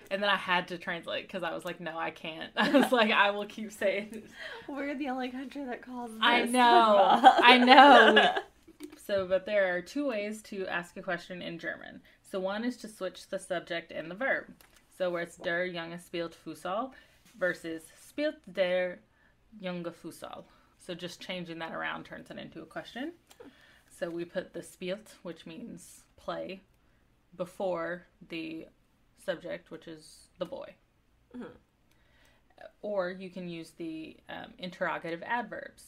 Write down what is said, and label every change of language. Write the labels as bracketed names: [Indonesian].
[English] And then I had to translate because I was like, no, I can't. I was like, I will keep saying this. We're the only country that calls this football. I know. I know. So, but there are two ways to ask a question in German. So one is to switch the subject and the verb. So where it's [German] der junge spielt Fußball versus spielt der junge Fußball. [English] So just changing that around turns it into a question. So we put the spielt, which means play, before the subject, which is the boy. Mm-hmm. Or you can use the interrogative adverbs.